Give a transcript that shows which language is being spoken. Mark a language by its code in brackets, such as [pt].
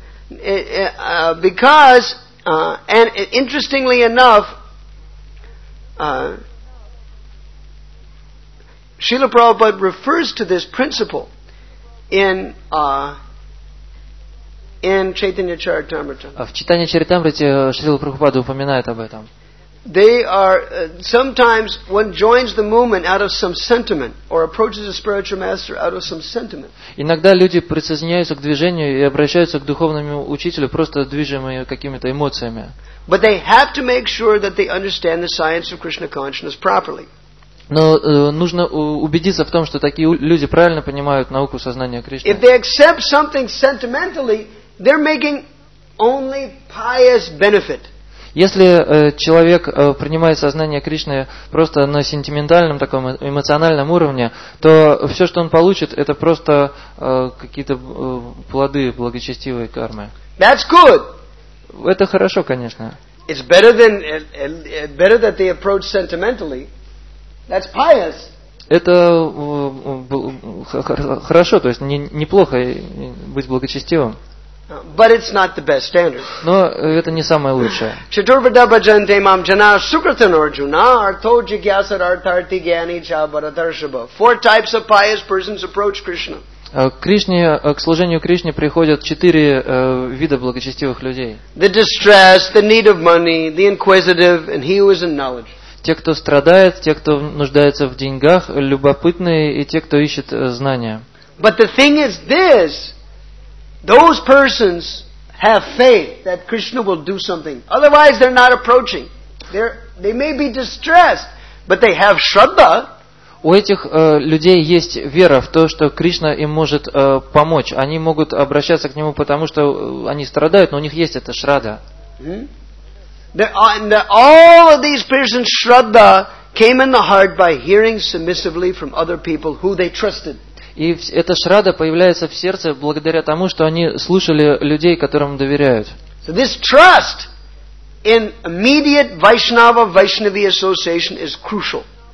[en] Because, and interestingly enough, Srila Prabhupada refers to this principle in Chaitanya Charitamrita. [ru] В Читании Чаритамрите Шрила Прабхупада упоминает об этом. [en] They are sometimes one joins the movement out of some sentiment or approaches a spiritual master out of some sentiment. [ru] Иногда люди присоединяются к движению и обращаются к духовному учителю просто движимые какими-то эмоциями. [en] But they have to make sure that they understand the science of Krishna consciousness properly. [ru] Но нужно убедиться в том, что такие люди правильно понимают науку сознания Кришны. [en] If they accept something sentimentally, they're making only pious benefit. [ru] Если человек принимает сознание Кришны просто на сентиментальном таком эмоциональном уровне, то все, что он получит, это просто какие-то плоды благочестивой кармы. [en] That's good. [ru] Это хорошо, конечно. [en] It's better than better that they approach sentimentally. That's pious. [ru] Это хорошо, то есть неплохо быть благочестивым. [en] But it's not the best standard. [ru] Но это не самое лучшее. [sa] Чатурвада бхаджанте мам джана сукратан арджуна артхо джигьясат артхарти гьяни ча бхаратаршабха. [en] Four types of pious persons approach Krishna. [ru] К служению Кришне приходят четыре вида благочестивых людей. [en] The distressed, the need of money, the inquisitive, and he who is in knowledge. [ru] Те, кто страдает, те, кто нуждается в деньгах, любопытные и те, кто ищет знания. [en] But the thing is this. Those persons have faith that Krishna will do something. Otherwise, they're not approaching. They may be distressed, but they have shraddha. [ru] У этих людей есть вера в то, что Кришна им может помочь. Они могут обращаться к нему, потому что они страдают, но у них есть эта шрадда. [en] All of these persons' shraddha came in the heart by hearing submissively from other people who they trusted. [ru] И эта шрадда появляется в сердце благодаря тому, что они слушали людей, которым доверяют. [en] So this trust in immediate Vaishnava-Vaishnavi association is crucial.